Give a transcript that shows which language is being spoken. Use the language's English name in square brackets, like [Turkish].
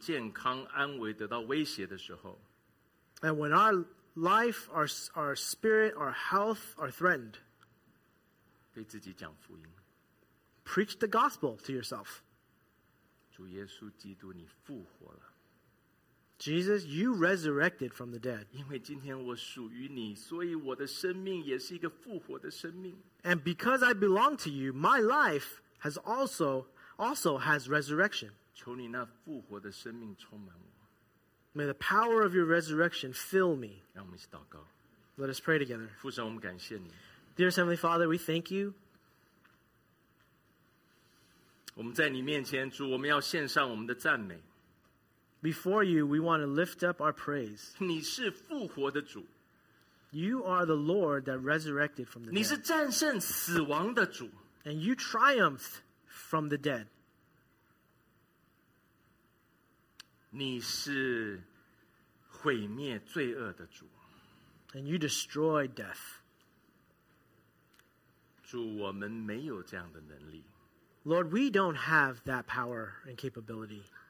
[Chinese] 当我们觉得我们的心灵、生命、健康、安危得到威胁的时候， [English] and when our life, our spirit, our health are threatened, [Chinese] 对自己讲福音， [English] preach the gospel to yourself. [Chinese] 主耶稣基督，你复活了。 [English] Jesus, you resurrected from the dead. And because I belong to you, my life has also has resurrection. May the power of your resurrection fill me. Let us pray together. Dear Heavenly Father, we thank you. [Chinese] 我们在你面前，主，我们要献上我们的赞美。 [English] Before you, we want to lift up our praise. [Chinese] 你是复活的主。 [English] You are the Lord that resurrected from the dead. [Chinese] 你是战胜死亡的主。 [English] And you triumphed from the dead. [Chinese] 你是毁灭罪恶的主。 [English] And you destroyed death. [Chinese] 主，我们没有这样的能力。 [English] Lord, we don't have that power and capability.